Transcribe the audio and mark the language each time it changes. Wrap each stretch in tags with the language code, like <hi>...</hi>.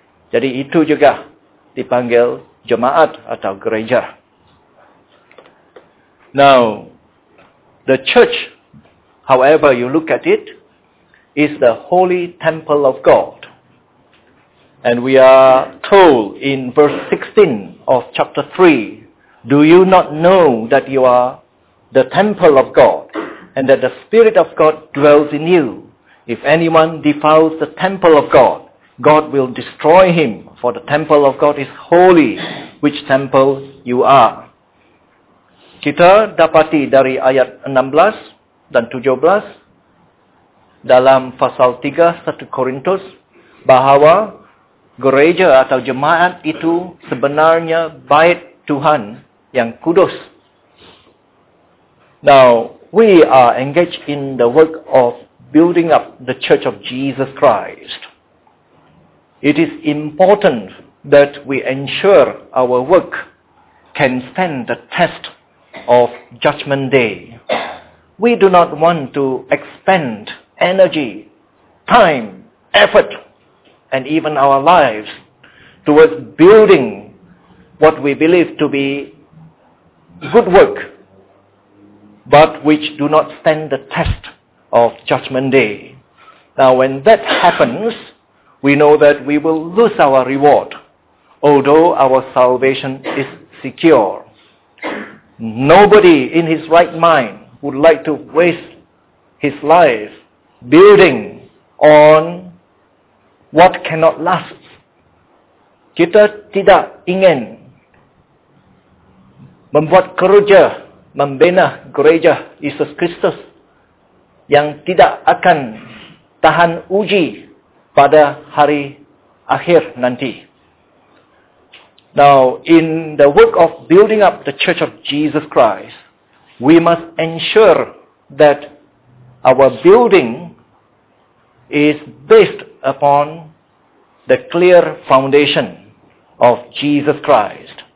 <ms>Jadi itu juga dipanggil jemaat atau gereja.</ms> <en>Now, the church, however you look at it, is the holy temple of God. And we are told in verse 16 of chapter 3, do you not know that you are the temple of God and that the Spirit of God dwells in you. If anyone defiles the temple of God, God will destroy him, for the temple of God is holy, which temple you are.</en> <ms>Kita dapati dari ayat 16 dan 17 dalam pasal 3 1 Korintus bahwa gereja atau jemaat itu sebenarnya bait Tuhan yang kudus.</ms> <en>Now, we are engaged in the work of building up the Church of Jesus Christ. It is important that we ensure our work can stand the test of Judgment Day. We do not want to expend energy, time, effort, and even our lives towards building what we believe to be good work, but which do not stand the test of Judgment Day. Now, when that happens, we know that we will lose our reward, although our salvation is secure. Nobody in his right mind would like to waste his life building on what cannot last.</en> <ms>Kita tidak ingin membuat kerja membina gereja Yesus Kristus yang tidak akan tahan uji pada hari akhir nanti.</ms> <en>Now, in the work of building up the Church of Jesus Christ, we must ensure that our building is based upon the clear foundation of Jesus Christ.</en>